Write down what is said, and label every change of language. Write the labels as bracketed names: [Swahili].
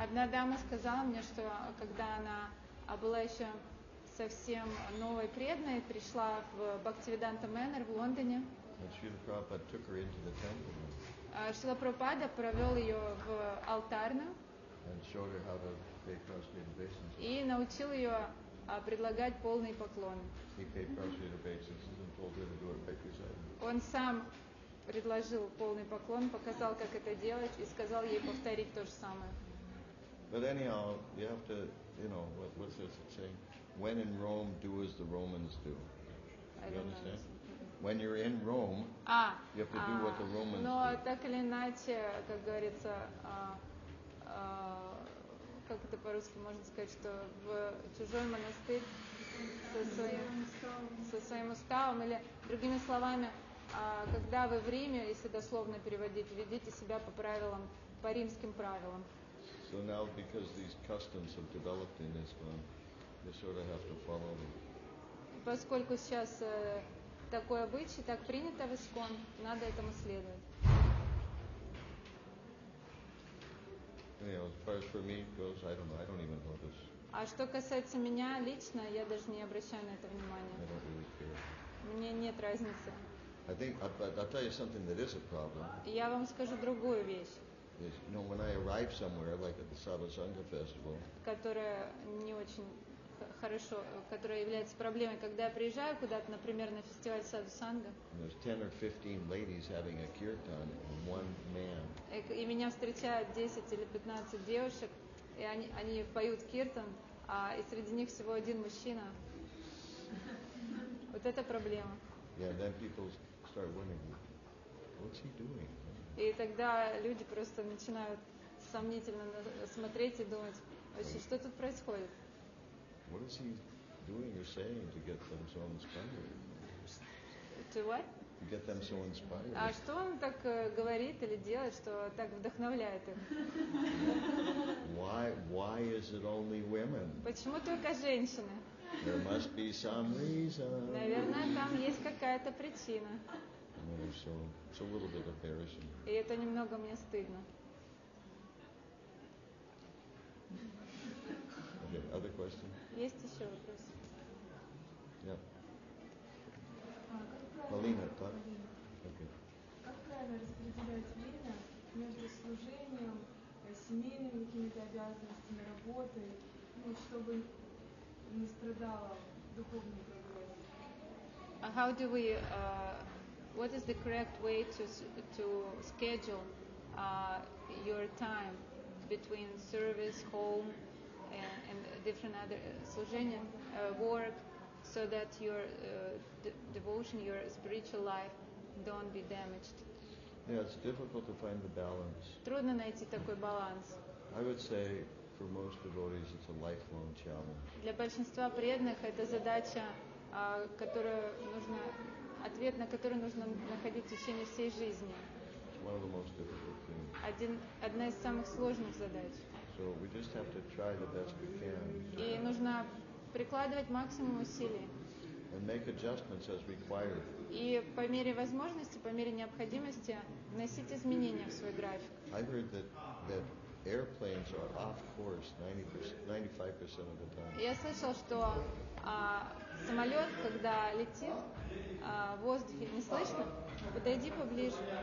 [Russian] Одна дама сказала мне, что когда она была еще совсем новой преданной, пришла в Бхактивиданта Мэннер в Лондоне. [English] Srila Prabhupada took her into the temple. [Russian] Шрила Прабхупада провел ее в алтарную. [English] And showed her how to pay prostrate obeisances. [Russian] И научил ее предлагать полный поклон. [English] He paid prostrate obeisances and told her to do it by presiding. [Russian] Он сам предложил полный поклон, показал, как это делать, и сказал ей повторить то же самое. [English] But anyhow, you have to, you know, what's this saying? When in Rome, do as the Romans do. You understand? When you're in Rome, you have to do what the Romans [Russian] но [English] do. [Russian] Но так или иначе, как говорится, как это по-русски можно сказать, что в чужой монастырь со своим уставом, или другими словами, когда вы в Риме, если дословно переводить, ведите себя по правилам, по римским правилам. [English] So now, because these customs have developed in Islam, you sort of have to follow them. [Russian] Поскольку сейчас такой обычай, так принято в Искон, надо этому следовать. [English] Anyway, as far as for me goes, I don't know. I don't even notice. [Russian] А что касается меня лично, я даже не обращаю на это внимания. [English] I don't really care. [Russian] Мне нет разницы. [English] I think I'll tell you something that is a problem. [Russian] Я вам скажу другую вещь. [English] Is, you know, when I arrive somewhere, like at the Sava Sangha festival, [Russian] которая не очень хорошо, которая является проблемой, когда я приезжаю куда-то, например, на фестиваль Саду Санга. [English] There's 10 or 15 ladies having a kirtan and one man. [Russian] И меня встречают 10 или 15 девушек, и они поют киртан, а и среди них всего один мужчина. Вот это проблема. [English] Yeah, then people start wondering, what's he doing? [Russian] И тогда люди просто начинают сомнительно смотреть и думать, вообще, что тут происходит? [English] What is he doing or saying to get them so inspired? To what? To get them so inspired. [Russian] А что он так говорит или делает, что так вдохновляет их? [English] Why is it only women? [Russian] Почему только женщины? [English] There must be some reason. [Russian] Наверное, там есть какая-то причина. [English] It's a little bit embarrassing. [Russian] И это немного мне стыдно. [English] Okay, other question? [Russian] Есть еще вопрос? [English] Yeah. [Russian] Полина, как правильно распределять время между служением, семейными какими-то обязанностями, работой, ну, чтобы не страдала духовный прогресс. [English] How do we what is the correct way to schedule your time between service, home and different other [Russian] служения, [English] work, so that your devotion, your spiritual life don't be damaged? Yeah, it's difficult to find the balance. [Russian] Трудно найти такой баланс. [English] I would say for most devotees, it's a lifelong challenge. [Russian] Для большинства преданных это задача, которую нужно ответ на которую нужно находить в течение всей жизни. [English] It's one of the most difficult things. [Russian] Одна из самых сложных задач. [English] So we just have to try the best we can. [Russian] И нужно прикладывать максимум усилий. [English] And make adjustments as required. [Russian] И по мере возможности, по мере необходимости вносить изменения в свой график. [English] I heard that airplanes are off course 95% of the time. [Russian] Я слышал, что самолет, когда летит, в воздухе не слышно. Подойди поближе.